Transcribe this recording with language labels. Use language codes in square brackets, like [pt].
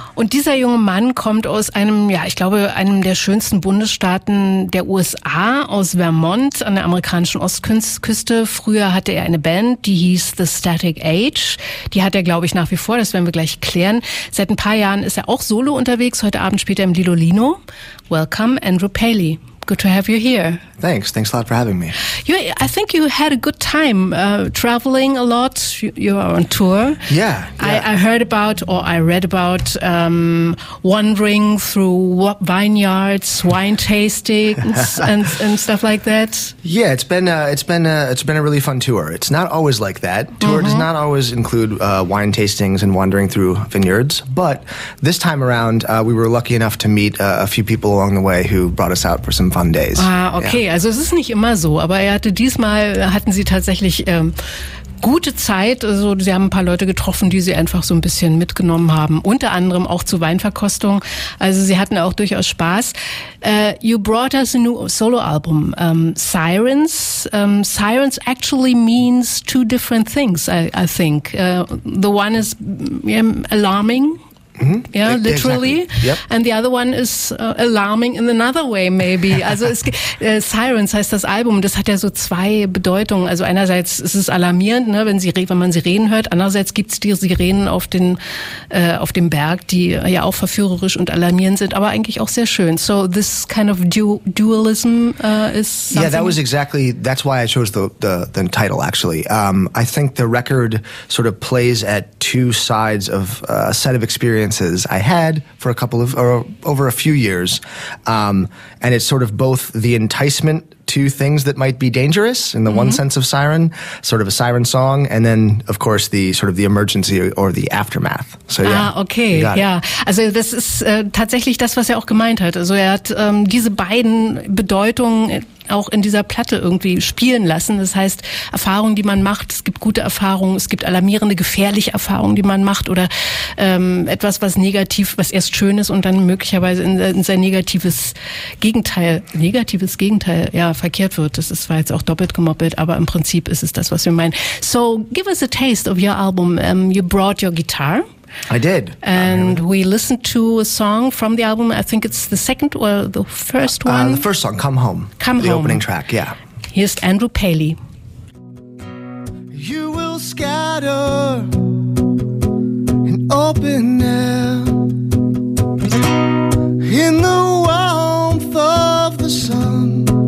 [de] Und dieser junge Mann kommt aus einem, ja, ich glaube, einem der schönsten Bundesstaaten der USA, aus Vermont an der amerikanischen Ostküste. Früher hatte er eine Band, die hieß The Static Age. Die hat er, glaube ich, nach wie vor, das werden wir gleich klären. Seit ein paar Jahren ist er auch solo unterwegs, heute Abend spielt er im Lido Lino. [en] Welcome, Andrew Paley. Good to have you here. Thanks a lot for having me. I think you had a good time traveling a lot. You are on tour. Yeah. I heard about, or I read about, wandering through vineyards, wine tastings, and stuff like that. Yeah, it's been a really fun tour. It's not always like that. Tour mm-hmm. does not always include wine tastings and wandering through vineyards. But this time around, we were lucky enough to meet a few people along the way who brought us out for some fun days. Ah, okay. Yeah. [de] Also es ist nicht immer so, aber er hatte diesmal, hatten sie tatsächlich gute Zeit. Also sie haben ein paar Leute getroffen, die sie einfach so ein bisschen mitgenommen haben. Unter anderem auch zu Weinverkostung. Also sie hatten auch durchaus Spaß. [en] You brought us a new solo album, Sirens. Sirens actually means two different things, I think. The one is alarming. Mm-hmm. Yeah, literally. Exactly. Yep. And the other one is alarming in another way, maybe. [de] Also Sirens heißt das Album. Das hat ja so zwei Bedeutungen. Also einerseits ist es alarmierend, ne, wenn man Sirenen hört. Andererseits gibt's die Sirenen auf dem Berg, die ja auch verführerisch und alarmierend sind, aber eigentlich auch sehr schön. [en] So this kind of dualism is something. Yeah, that was exactly. That's why I chose the title actually. I think the record sort of plays at two sides of a set of experiences. Experiences I had for a couple of or over a few years, and it's sort of both the enticement to things that might be dangerous in the mm-hmm. one sense of siren, sort of a siren song, and then of course the sort of the emergency or the aftermath. So yeah. Ah, okay. [de] Ja, also das ist tatsächlich das, was er auch gemeint hat. Also er hat diese beiden Bedeutungen auch in dieser Platte irgendwie spielen lassen. Das heißt, Erfahrungen, die man macht, es gibt gute Erfahrungen, es gibt alarmierende, gefährliche Erfahrungen, die man macht oder etwas, was negativ, was erst schön ist und dann möglicherweise in sein negatives Gegenteil, ja, verkehrt wird. Das ist zwar jetzt auch doppelt gemoppelt, aber im Prinzip ist es das, was wir meinen. [en] So, give us a taste of your album. You brought your guitar. I did. And we listened to a song from the album. I think it's the second or the first one. The first song, Come Home. Come Home. The opening track, yeah. Here's Andrew Paley. You will scatter in open air in the warmth of the sun.